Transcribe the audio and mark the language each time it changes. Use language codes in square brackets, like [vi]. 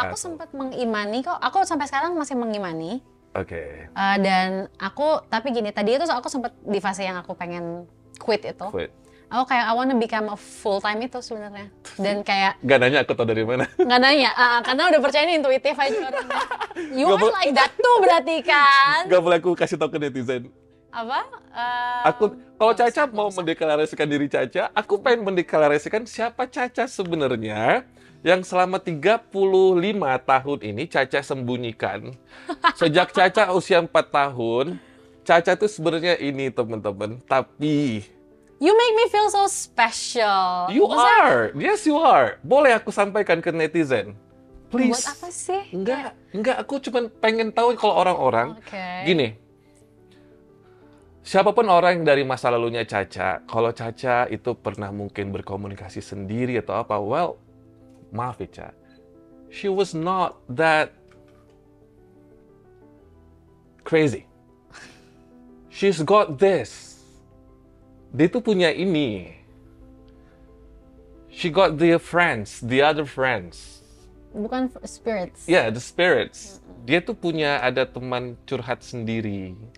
[id] Aku atau... sempat mengimani kok. Aku sampai sekarang masih mengimani. Oke. [en] Okay. [id] Dan aku tapi gini, tadi itu aku sempat di fase yang aku pengen quit itu. [en] Quit. [id] Aku kayak [en] I wanna become a full time [id] itu sebenarnya. Dan kayak enggak nanya aku tau dari mana. Enggak nanya. Karena udah percaya ini intuitif aja orangnya. [en] You are like that too [id] berarti kan. Enggak boleh aku kasih tau ke netizen. Apa? Aku kalau Caca usah, mau usah. Mendeklarasikan diri Caca, aku pengen mendeklarasikan siapa Caca sebenarnya yang selama 35 tahun ini Caca sembunyikan. Sejak Caca usia 4 tahun, Caca tuh sebenarnya ini, teman-teman. Tapi [en] you make me feel so special. You are. Yes, you are. [id] Boleh aku sampaikan ke netizen? [en] Please. [id] Buat apa sih? Enggak, aku cuma pengen tahu kalau orang-orang [en] okay. [id] gini. Siapapun orang yang dari masa lalunya Caca, kalau Caca itu pernah mungkin berkomunikasi sendiri atau apa, well, maaf ya, Caca. [en] She was not that crazy. She's got this. [id] Dia tuh punya ini. [en] She got the friends, the other friends. [id] Bukan spirits. [en] Yeah, the spirits. [id] Dia tuh punya ada teman curhat sendiri.